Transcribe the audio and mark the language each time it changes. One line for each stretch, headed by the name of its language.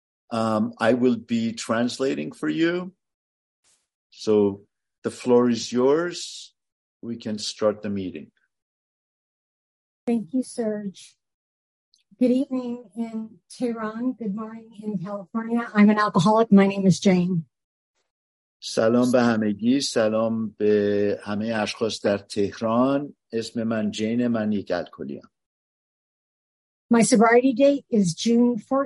English: I will be translating for you. So the floor is yours. We can start the meeting. Thank you, Serge. Good evening in Tehran. Good morning in California. I'm an alcoholic. My name is Jane.
Persian: سلام به همگی، سلام به همه اشخاص در تهران. اسم من جین، من یک الکلیم.
English: My sobriety date is June